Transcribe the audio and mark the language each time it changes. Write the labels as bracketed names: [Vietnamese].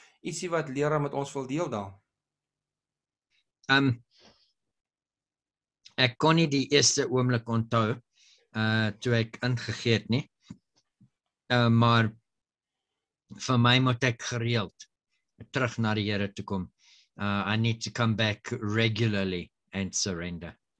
[Afrikaans] Ietsie wat leraar met ons wil deel daar. Ek kon nie die eerste oomblik onthou toe ek ingegee het nie. Maar vir my moet ek gereeld terug na die Here toe kom. [English] I need to come back regularly and surrender.